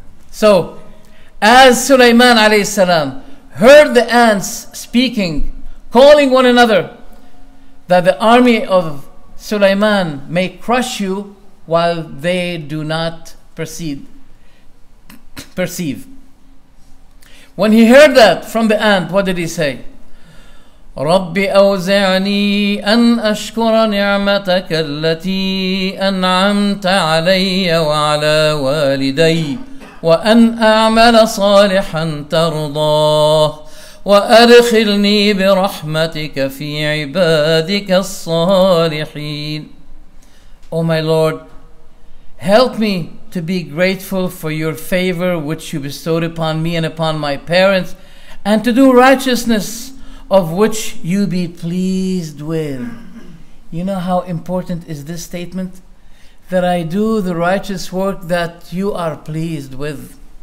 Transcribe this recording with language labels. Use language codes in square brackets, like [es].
[en] So, as Sulaiman alayhi salam heard the ants speaking, calling one another, that the army of Sulaiman may crush you while they do not perceive. When he heard that from the ant, what did he say? [ar] رب أوزعني أن أشكر نعمتك التي أنعمت علي وعلى والدي وأن أعمل صالحا ترضاه وأدخلني برحمتك في عبادك الصالحين. [en] O my Lord, help me to be grateful for your favor which you bestowed upon me and upon my parents, and to do righteousness of which you be pleased with. You know how important is this statement? That I do the righteous work that you are pleased with.